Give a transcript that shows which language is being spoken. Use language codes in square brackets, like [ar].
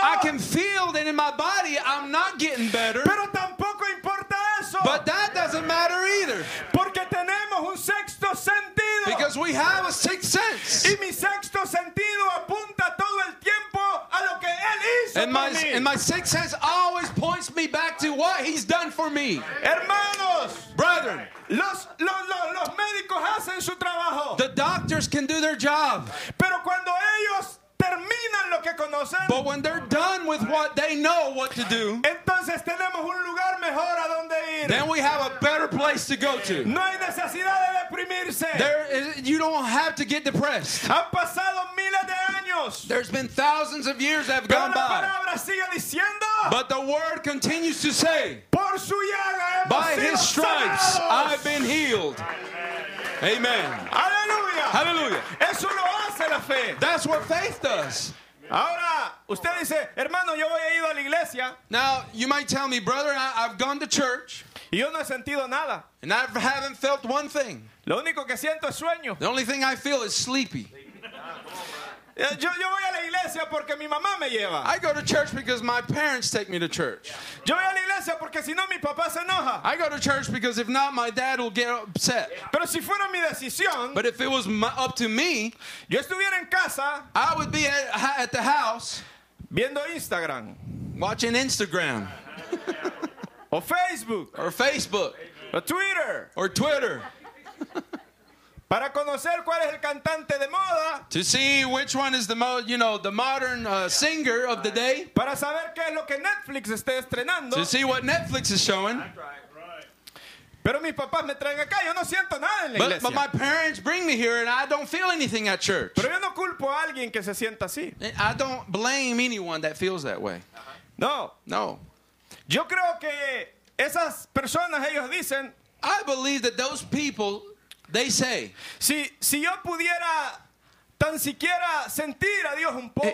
[en] I can feel that in my body I'm not getting better. [es] Pero tampoco importa eso. [en] But that doesn't matter either. [es] Porque tenemos un sexto sentido. [en] Because we have a sixth sense. [es] Y mi sexto sentido apunta todo el tiempo a lo que él hizo por mí. [en] And my sixth sense always points me back to what he's done for me. [es] Hermanos. [en] Brethren. [es] Los médicos hacen su trabajo. [en] The doctors can do their job. [es] Pero cuando ellos terminan lo que conocen. [en] But when they're done with what they know what to do, [es] entonces tenemos un lugar mejor a donde ir. [en] Then we have a better place to go to. [es] No hay necesidad de deprimirse. [en] You don't have to get depressed. [es] Han pasado miles de años. [en] There's been thousands of years that have [es] Pero [en] gone by. [es] La palabra sigue diciendo, [en] but the word continues to say, [es] por su llaga hemos [en] by [es] sido [en] his stripes [es] sanados. [en] I've been healed. Amen. Hallelujah. Hallelujah. [es] Eso lo hace la fe. [en] That's what faith does. [es] Ahora, usted dice, hermano, yo he ido a la iglesia. [en] Now, you might tell me, brother, I've gone to church. [es] Y yo no he sentido nada. [en] And I haven't felt one thing. [es] Lo único que siento es sueño. [en] The only thing I feel is sleepy. [es] Yo voy a la iglesia porque mi mamá me lleva. [en] I go to church because my parents take me to church. [es] Yo voy a la iglesia porque si no mi papá se enoja. [en] I go to church because if not my dad will get upset. [es] Pero si fuera mi decisión, [en] but if it was up to me, [es] yo estuviera en casa, [en] I would be at the house [es] viendo Instagram, [en] watching Instagram or Facebook, or Facebook or Twitter, or Twitter. [es] Para conocer cuál es el cantante de moda. [en] To see which one is the most, you know, the modern singer of the day. [es] Para saber qué es lo que Netflix está estrenando. [en] To see what Netflix is showing. [es] Pero mis papás me traen acá, yo no siento nada en la iglesia. [en] But my parents bring me here and I don't feel anything at church. [es] Pero yo no culpo a alguien que se sienta así. [en] I don't blame anyone that feels that way. [es] No. [en] No. [es] Yo creo que esas personas, ellos dicen, [en] I believe that those people, they say, [es] si yo pudiera tan siquiera sentir a Dios un poco,